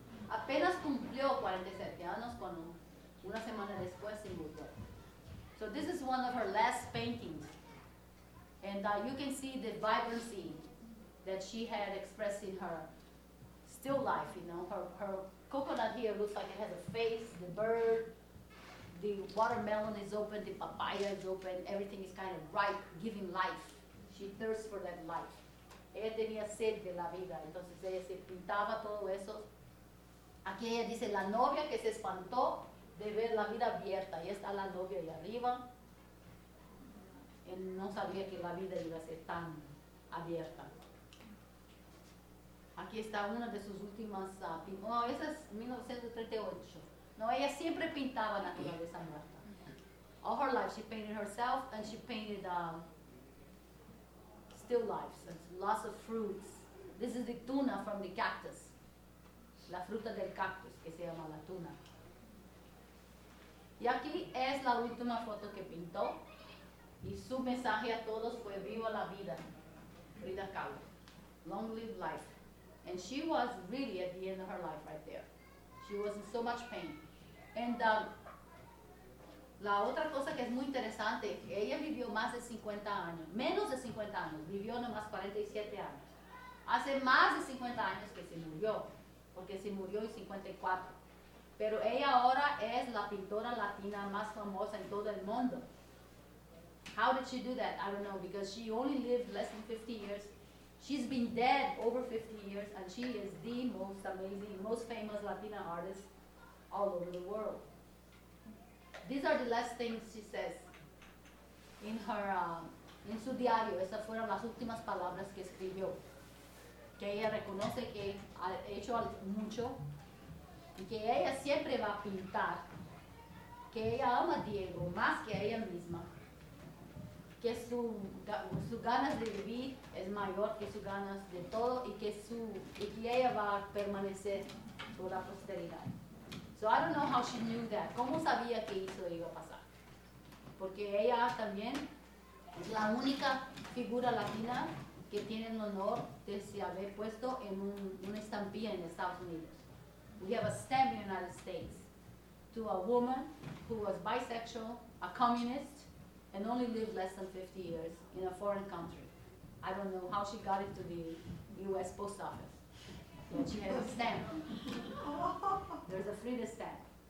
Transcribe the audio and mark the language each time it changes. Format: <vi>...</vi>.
<es>Apenas cumplió 47 años cuando una semana después se murió.</es> <en>So this is one of her last paintings. And you can see the vibrancy that she had expressed in her still life, you know. Her coconut here looks like it has a face, the bird, the watermelon is open, the papaya is open, everything is kind of ripe, giving life. She thirsts for that life.</en> <es>Ella tenía sed de la vida, entonces ella se pintaba todo eso. Aquí ella dice, la novia que se espantó de ver la vida abierta. Ahí está la novia ahí arriba. Y no sabía que la vida iba a ser tan abierta. Aquí está una de sus últimas, no, esa es 1938. No, ella siempre pintaba naturaleza muerta.</es> <en>All her life she painted herself and she painted still lives, lots of fruits. This is the tuna from the cactus.</en> <es>La fruta del cactus, que se llama la tuna. Y aquí es la última foto que pintó. Y su mensaje a todos fue viva la vida.</es> <en>Frida Kahlo. Long live life. And she was really at the end of her life right there. She was in so much pain. And</en> <es>la otra cosa que es muy interesante, ella vivió más de 50 años, menos de 50 años, vivió nomás 47 años. Hace más de 50 años que se murió, porque se murió en 54. Pero ella ahora es la pintora latina más famosa en todo el mundo.</es> <en>How did she do that? I don't know, because she only lived less than 50 years. She's been dead over 50 years, and she is the most amazing, most famous Latina artist all over the world. These are the last things she says in her, in</en> <es>su diario. Esas fueron las últimas palabras que escribió. Que ella reconoce que ha hecho mucho, y que ella siempre va a pintar, que ella ama a Diego más que a ella misma. Que su ganas de vivir es mayor que su ganas de todo y que su y que ella va a permanecer por la posteridad.</es> <en>So I don't know how she knew that.</en> <es>¿Cómo sabía que eso iba a pasar? Porque ella también es la única figura latina que tiene el honor de se haber puesto en una estampilla en Estados Unidos.</es> <en>We have a stamp in the United States to a woman who was bisexual, a communist, and only lived less than 50 years in a foreign country. I don't know how she got it to the US post office. But she has a stamp. There's a Frida stamp.</en>